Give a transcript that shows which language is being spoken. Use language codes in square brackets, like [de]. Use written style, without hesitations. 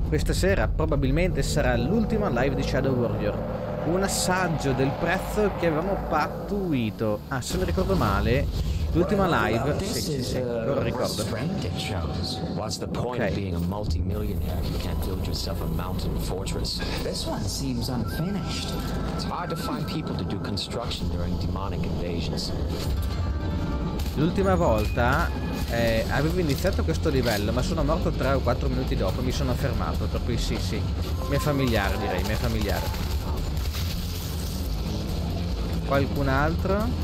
[it] Questa sera probabilmente sarà l'ultima live di Shadow Warrior. Un assaggio del prezzo che avevamo pattuito. Ah, se non ricordo male, l'ultima live... Sì, non lo ricordo. [en] What's the point of being a multimillionaire if you can't build yourself a mountain fortress? This one seems unfinished. It's hard to find people to do construction during demonic invasions. [it] L'ultima volta avevo iniziato questo livello, ma sono morto 3 o 4 minuti dopo, mi sono fermato, per cui sì, mi è familiare, direi, mi è familiare. Qualcun altro?